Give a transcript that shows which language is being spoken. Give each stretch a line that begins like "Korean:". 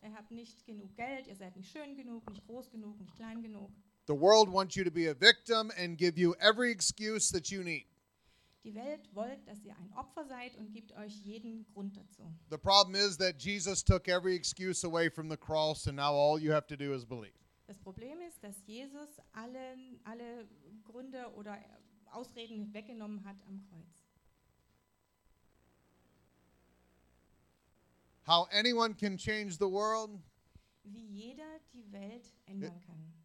German: Ihr habt nicht genug Geld, ihr seid nicht schön genug, nicht groß genug, nicht klein genug.
English: The world wants you to be a victim and give you every excuse that you need.
German: Die Welt wollt, dass ihr ein Opfer seid und gibt euch jeden Grund dazu.
English: The problem is that Jesus took every excuse away from the cross and now all you have to do is believe.
German: Das Problem ist, dass Jesus alle Gründe oder Ausreden weggenommen hat am Kreuz.
English: How anyone can change the world?
German: Wie jeder die Welt ändern kann.